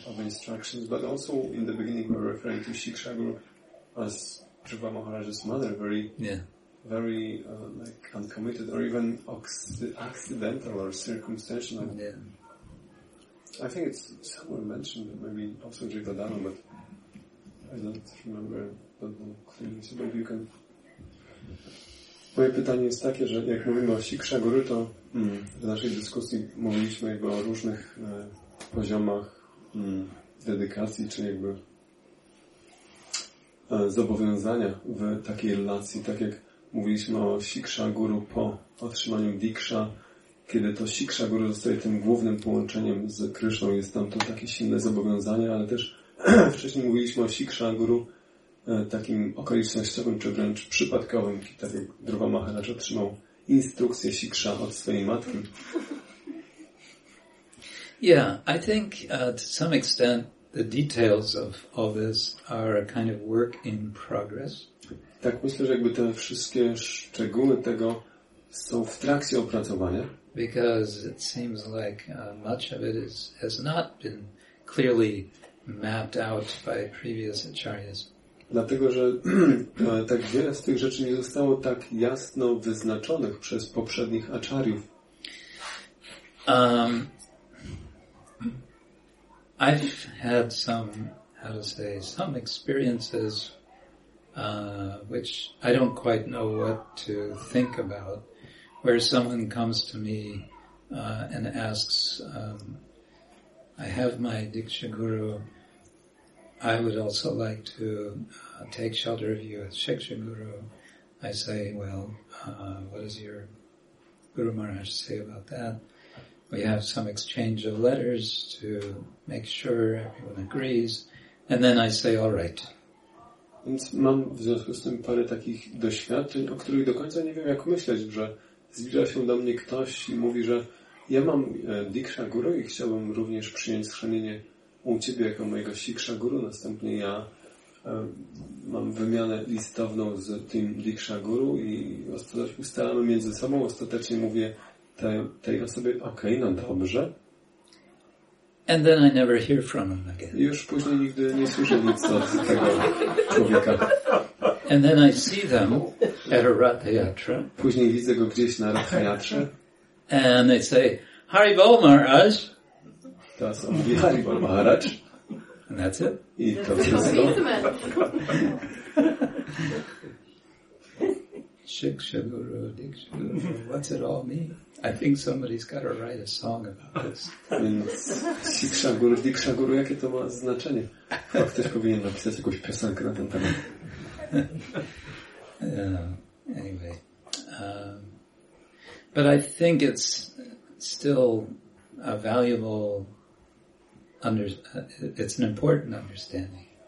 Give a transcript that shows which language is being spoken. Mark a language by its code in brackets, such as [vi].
[en] Of instructions, but also in the beginning we were referring to Shiksha Guru as Dhruva Maharaj's mother, very like uncommitted, or even accidental or circumstantial. Yeah. I think it's somewhere mentioned, maybe also Jivadana, but I don't remember clearly. So maybe you can. [pl] Moje pytanie jest takie, że jak mówimy o Shiksha Guru, to w naszej dyskusji mówiliśmy jakby o różnych poziomach dedykacji, czy jakby zobowiązania w takiej relacji, tak jak mówiliśmy o Shiksha Guru po otrzymaniu Diksha, kiedy to Shiksha Guru zostaje tym głównym połączeniem z Krishną, jest tam to takie silne zobowiązanie, ale też wcześniej mówiliśmy o Shiksha Guru takim okolicznościowym, czy wręcz przypadkowym, tak jak Dhruva Maharaj otrzymał instrukcję Shiksha od swojej matki. [en] Yeah, I think to some extent the details of all this are a kind of work in progress. [pl] Tak, myślę, że jakby te wszystkie szczegóły tego są w trakcie opracowania. [en] Because it seems like much of it has not been clearly mapped out by previous acharyas. [pl] Dlatego, że tak wiele z tych rzeczy nie zostało tak jasno wyznaczonych przez poprzednich acharyów. [en] I've had some experiences which I don't quite know what to think about, where someone comes to me and asks, I have my Diksha Guru, I would also like to take shelter of you as Shiksha Guru. I say, well, what does your Guru Maharaj say about that? We have some exchange of letters to make sure everyone agrees, and then I say, all right. [pl] Więc mam w związku z tym parę takich doświadczeń, o których do końca nie wiem, jak myśleć, że zbliża się do mnie ktoś i mówi, że ja mam Diksha Guru i chciałbym również przyjąć schronienie u Ciebie jako mojego Shiksha Guru. Następnie ja mam wymianę listowną z tym Diksha Guru i ustalamy między sobą. Ostatecznie mówię tej osobie, okej, no dobrze. [en] And then I never hear from him again. [pl] Już później nigdy nie słyszę nic od tego człowieka. [en] And then I see them at a Ratha Yatra. [pl] Później widzę go gdzieś na Ratha Yatra. [en] And they say, Hari Bol Maharaj. [pl] To są mówi, Hari Bol Maharaj. [en] And that's it. [pl] I to wszystko. [en] Shiksha Guru, Diksha Guru, what's it all mean? I think somebody's got to write a song about this. [pl] Shiksha Guru, Diksha Guru, jakie to ma znaczenie? Chyba ktoś powinien napisać jakąś piosenkę na ten temat. [en] Anyway. But I think it's still a valuable it's an important understanding.